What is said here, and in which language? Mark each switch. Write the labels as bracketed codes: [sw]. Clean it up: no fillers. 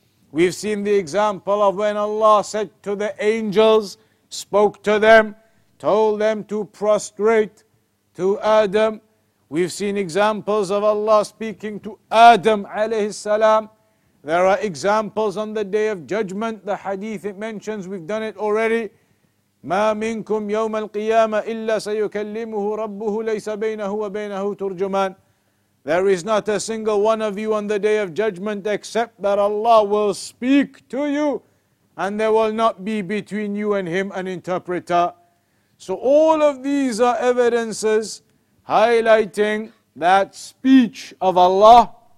[en] We've seen the example of when Allah said to the angels, spoke to them, told them to prostrate to Adam. We've seen examples of Allah speaking to Adam alayhi salam. There are examples on the day of judgment, the hadith it mentions, we've done it already. [ar] ما منكم يوم القيامة إلا سيكلمه ربه ليس بينه وبينه ترجمان. [en] There is not a single one of you on the day of judgment except that Allah will speak to you and there will not be between you and him an interpreter. So all of these are evidences highlighting that speech of Allah.